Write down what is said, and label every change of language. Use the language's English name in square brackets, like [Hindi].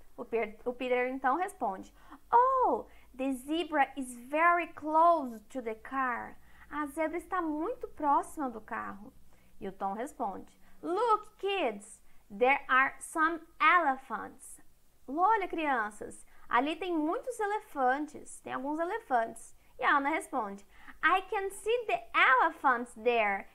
[Portuguese] O Peter então responde: [English] Oh, the zebra is very close to the car. [Portuguese] A zebra está muito próxima do carro. E o Tom responde: [English] Look, kids, there are some elephants. [Portuguese] Olha, crianças, ali tem muitos elefantes, tem alguns elefantes. E a Ana responde: [English] I can see the elephants there.